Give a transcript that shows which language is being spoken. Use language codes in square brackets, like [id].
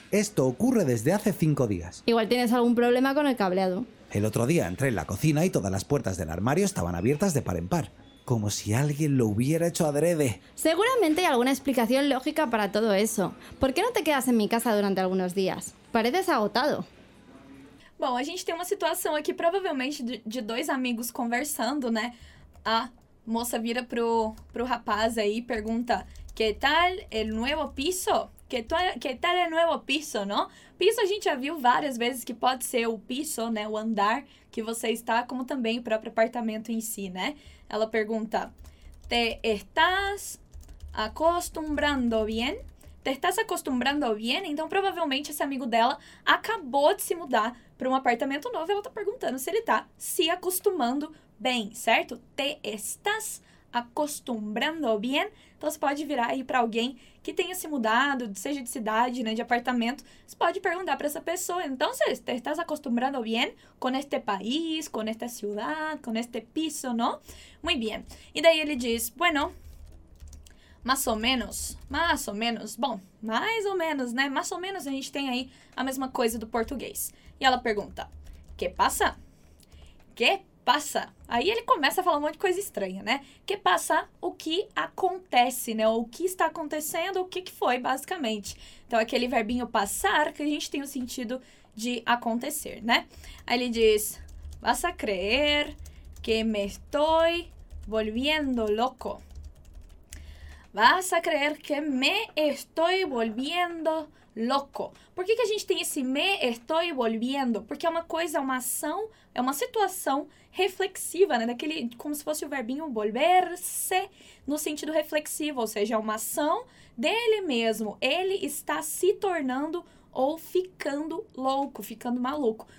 [es] Esto ocurre desde hace 5 días. Igual tienes algún problema con el cableado. El otro día entré en la cocina y todas las puertas del armario estaban abiertas de par en par, como si alguien lo hubiera hecho adrede. Seguramente hay alguna explicación lógica para todo eso. ¿Por qué no te quedas en mi casa durante algunos días? Pareces agotado. [pt] Bom, a gente tem uma situação aqui provavelmente de dois amigos conversando, né? A moça vira pro rapaz aí e pergunta: [es] "Que tal el nuevo piso?" [pt] Que tal é novo piso, não? Piso a gente já viu várias vezes que pode ser o piso, né? O andar que você está, como também o próprio apartamento em si, né? Ela pergunta: [es] Te estás acostumbrando bien? Te estás acostumbrando bien? [pt] Então, provavelmente, esse amigo dela acabou de se mudar para um apartamento novo e ela está perguntando se ele está se acostumando bem, certo? [es] Te estás acostumbrando bien? [pt] Então você pode virar aí para alguém que tenha se mudado, seja de cidade, né, de apartamento, você pode perguntar para essa pessoa: "Então, [es] te estás acostumbrando bien con este país, con esta ciudad, con este piso, ¿no?" Muy bien. [pt] E daí ele diz: [es] "Bueno, más o menos, [pt] bom, mais ou menos, né? Mais ou menos a gente tem aí a mesma coisa do português." E ela pergunta: [es] "Que pasa? [pt] Que passa?" Aí ele começa a falar um monte de coisa estranha, né? Que passa, o que acontece, né? O que está acontecendo, o que foi, basicamente. Então, aquele verbinho passar, que a gente tem o sentido de acontecer, né? Aí ele diz: [es] "Vas a creer que me estoy volviendo loco." Vas a creer que me estoy volviendo louco. [pt] Por que que a gente tem esse [es] me estoy volviendo? [pt] Porque é uma coisa, uma ação, é uma situação reflexiva, né? Daquele, como se fosse o verbinho volver-se no sentido reflexivo, ou seja, é uma ação dele mesmo. Ele está se tornando ou ficando louco, ficando maluco.